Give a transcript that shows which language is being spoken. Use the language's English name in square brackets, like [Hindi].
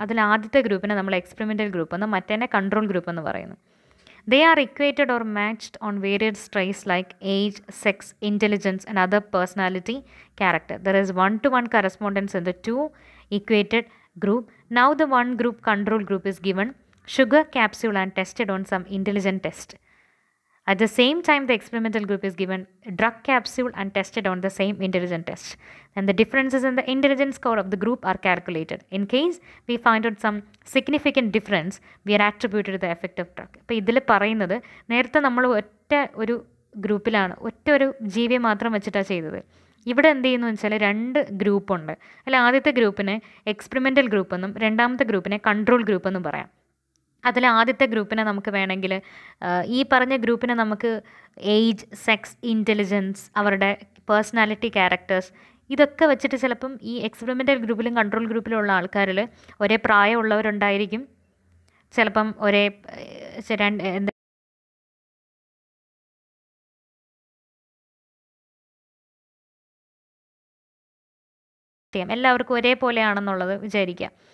[Malayalam] അതിൽ ആദ്യത്തെ ഗ്രൂപ്പിനെ നമ്മൾ എക്സ്പെരിമെൻ്റൽ ഗ്രൂപ്പ് എന്ന് മറ്റേനെ കൺട്രോൾ ഗ്രൂപ്പ് എന്ന് പറയുന്നു. [English] They are equated or matched on varied traits like age, sex, intelligence and other personality character. There is one to one correspondence in the two equated group. Now the one group control group is given sugar capsule and tested on some intelligent test. At the same time, the experimental group is given drug capsule and tested on the same intelligent test. And the differences in the intelligence score of the group are calculated. In case we find out some significant difference, we are attributed to the effect of drug. [Malayalam] അപ്പോൾ ഇതിൽ പറയുന്നത് നേരത്തെ നമ്മൾ ഒറ്റ ഒരു ഗ്രൂപ്പിലാണ് ഒറ്റ ഒരു ജീവിയെ മാത്രം വെച്ചിട്ടാണ് ചെയ്തത്. ഇവിടെ എന്ത് ചെയ്യുന്നു വെച്ചാൽ രണ്ട് ഗ്രൂപ്പുണ്ട്. അല്ല, ആദ്യത്തെ ഗ്രൂപ്പിനെ എക്സ്പെരിമെൻ്റൽ ഗ്രൂപ്പെന്നും രണ്ടാമത്തെ ഗ്രൂപ്പിനെ കൺട്രോൾ ഗ്രൂപ്പെന്നും പറയാം. അതിൽ ആദ്യത്തെ ഗ്രൂപ്പിനെ നമുക്ക് വേണമെങ്കിൽ ഈ പറഞ്ഞ ഗ്രൂപ്പിനെ നമുക്ക് ഏജ്, സെക്സ്, ഇൻ്റലിജൻസ്, അവരുടെ പേഴ്സണാലിറ്റി ക്യാരക്ടേഴ്സ് ഇതൊക്കെ വെച്ചിട്ട് ചിലപ്പം ഈ എക്സ്പെരിമെൻ്റൽ ഗ്രൂപ്പിലും കൺട്രോൾ ഗ്രൂപ്പിലും ഉള്ള ആൾക്കാരിൽ ഒരേ പ്രായമുള്ളവരുണ്ടായിരിക്കും, ചിലപ്പം ഒരേ രണ്ട് എന്താ എല്ലാവർക്കും ഒരേപോലെയാണെന്നുള്ളത് വിചാരിക്കുക.